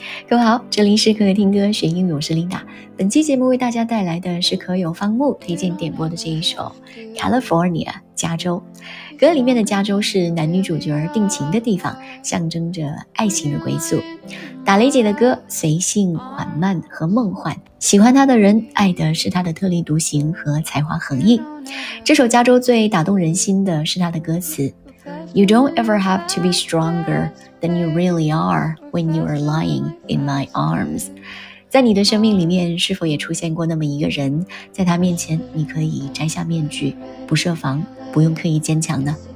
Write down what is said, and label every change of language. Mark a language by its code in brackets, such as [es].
[zh] 各位好，这里是可可听歌学英语，我是 Linda。本期节目为大家带来的是可有方木推荐点播的这一首 California 加州。歌里面的加州是男女主角定情的地方，象征着爱情的归宿。打雷姐的歌随性、缓慢和梦幻，喜欢她的人爱的是她的特立独行和才华横溢。这首加州最打动人心的是她的歌词 [en] You don't ever have to be stronger than you really are when you are lying in my arms。 [zh] 在你的生命里面是否也出现过那么一个人，在他面前你可以摘下面具，不设防，不用刻意坚强呢？